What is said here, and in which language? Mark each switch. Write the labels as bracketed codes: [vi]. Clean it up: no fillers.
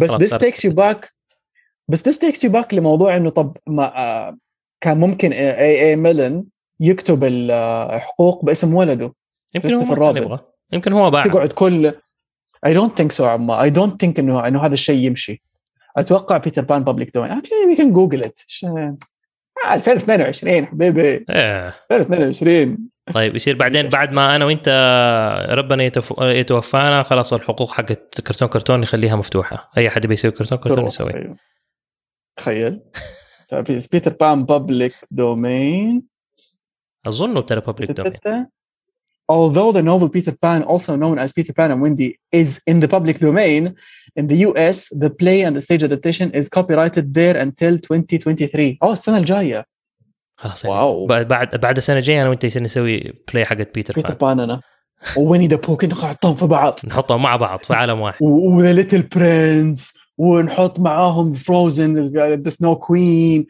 [ar] بس [en] this takes you back [ar] لموضوع أنه طب ما كان ممكن A.A. ميلن يكتب الحقوق باسم ولده. يمكن هو ما يبغى يمكن هو باعه تقعد كل [en] I don't think so [ar] عمّا [en] I don't think [ar] إنه هذا الشيء يمشي. أتوقع بيتر بان [en] public domain actually we can google it 2022 [ar] حبيبي [en] 2022 [ar] طيب يصير بعدين بعد ما أنا وإنت ربنا يتوفانا خلاص الحقوق حقت كرتون يخليها مفتوحة أي حد بيسوي كرتون يسوي. تخيل بيتر بان public domain أظنه ترى public domain [en] although the novel Peter Pan, also known as Peter Pan and Wendy, is in the public domain, in the US, the play and the stage adaptation is copyrighted there until 2023. [ar] السنة الجاية. خلاص. واو. بعد السنة الجاية أنا وأنت يصير نسوي play حقت Peter Pan أنا. ووينى ذا بو كنا نحطهم في بعض. نحطهم مع بعض في عالم واحد. وذا ليتل برنس ونحط معاهم فروزن ذا سنو كوين.